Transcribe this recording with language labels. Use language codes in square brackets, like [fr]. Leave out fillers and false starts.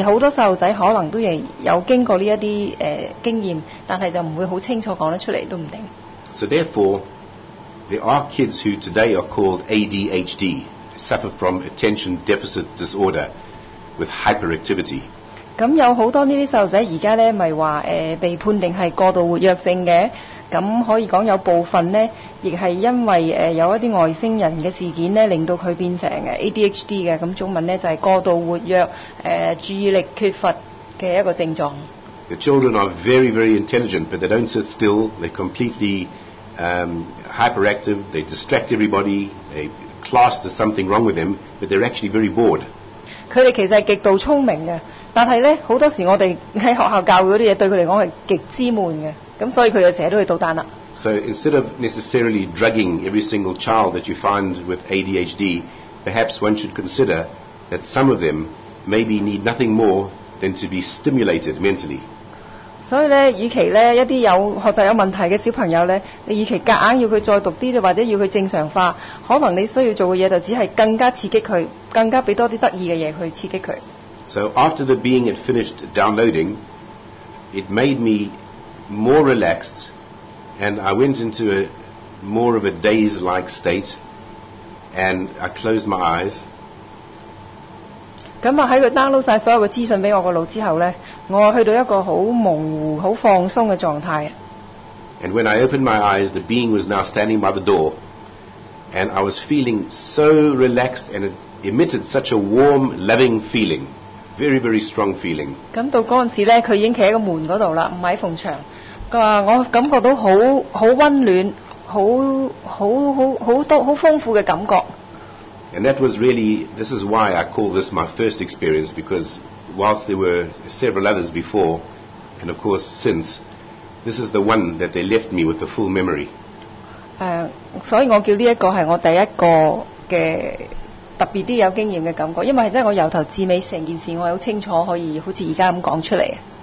[yue] 而好多細路仔可能都亦有經過呢一啲經驗，但係就唔會好清楚講得出嚟都唔定。 [en] So therefore, there are kids who today are called ADHD, suffer from attention deficit disorder with hyperactivity. [yue] 咁有好多呢啲細路仔而家咧，咪話被判定係過度活躍症嘅。咁可以講有部分咧，亦係因為有一啲外星人嘅事件咧，令到佢變成ADHD 嘅。咁中文咧就係過度活躍注意力缺乏嘅一個症狀。 [en] The children are very, very intelligent, but they don't sit still. They completely hyperactive. They distract everybody. They class there's something wrong with them, but they're actually very bored. [yue] 佢哋其實係極度聰明嘅，但係咧好多時候我哋喺學校教嗰啲嘢對佢嚟講係極之悶嘅，咁所以佢就成日都去倒彈啦。 [en] So instead of necessarily drugging every single child that you find with ADHD, perhaps one should consider that some of them maybe need nothing more than to be stimulated mentally. [yue] 所以咧，與其咧一啲有學習有問題嘅小朋友咧，你與其夾硬要佢再讀啲，或者要佢正常化，可能你需要做嘅嘢就只係更加刺激佢。更加俾多啲得意嘅嘢去刺激佢。 [en] So after the being had finished downloading, it made me more relaxed, and I went into a more of a daze-like state, and I closed my eyes. [yue] 咁啊，喺佢 download 曬所有嘅資訊俾我個腦之後咧，我去到一個好模糊、好放鬆嘅狀態。 [en] And when I opened my eyes, the being was now standing by the door, and I was feeling so relaxed and emitted such a warm, loving feeling, very, very strong feeling. [yue] 咁到嗰陣時咧，佢已經企喺個門嗰度啦，唔喺縫牆。佢話我感覺到好好温暖，好豐富嘅感覺。 [en] And that was really, this is why I call this my first experience, because whilst there were several others before, and of course since, this is the one that they left me with the full memory. [yue] 所以我叫呢一個係我第一個嘅。特別啲有經驗嘅感覺，因為真係我由頭至尾成件事，我係好清楚可以好似而家咁講出嚟。